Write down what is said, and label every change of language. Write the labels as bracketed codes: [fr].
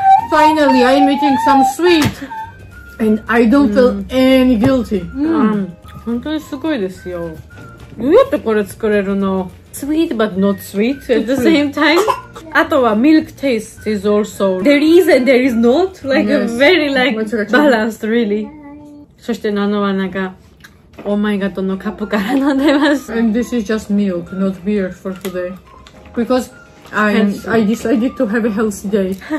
[en] Finally, I'm eating some sweet. And I don't feel any guilty. Really, it's great. How do you make this? Sweet but not sweet at the same time. Atowa milk taste is also there is and there is not like a very like balanced really. [ja] そしてナノはなんかオーマイガトのカップから飲んでます。 [en] And this is just milk, not beer for today, because I decided to have a healthy day.